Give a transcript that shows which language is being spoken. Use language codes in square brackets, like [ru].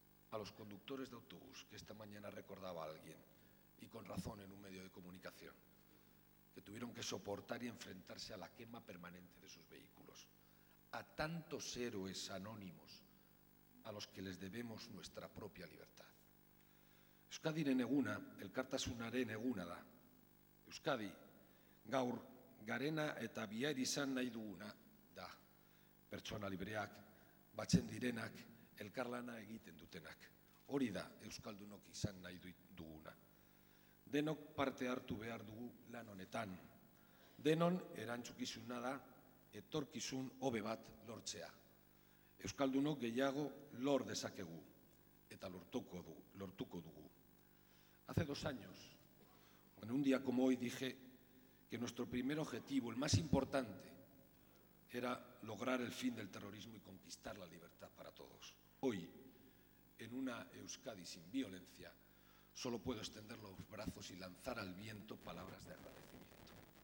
[es] a los conductores de autobús que esta mañana recordaba a alguien y con razón en un medio de comunicación, que tuvieron que soportar y enfrentarse a la quema permanente de sus vehículos, a tantos héroes anónimos a los que les debemos nuestra propia libertad. [eu] Euskadiren eguna, elkartasunaren eguna da. Euskadi, gaur garena eta bihar izan nahi duguna da. Pertsona libreak, batzen direnak, elkarlana egiten dutenak. Hori da, euskaldunok izan nahi duguna. Denok parte hartu behar dugu lan honetan. Denon erantzukizuna da, etorkizun hobe bat lortzea. Euskaldunok gehiago lor dezakegu, eta lortuko dugu. [es] Hace dos años, en un día como hoy, dije que nuestro primer objetivo, el más importante, era lograr el fin del terrorismo y conquistar la libertad para todos. Hoy, en una Euskadi sin violencia, solo puedo extender los brazos y lanzar al viento palabras de agradecimiento.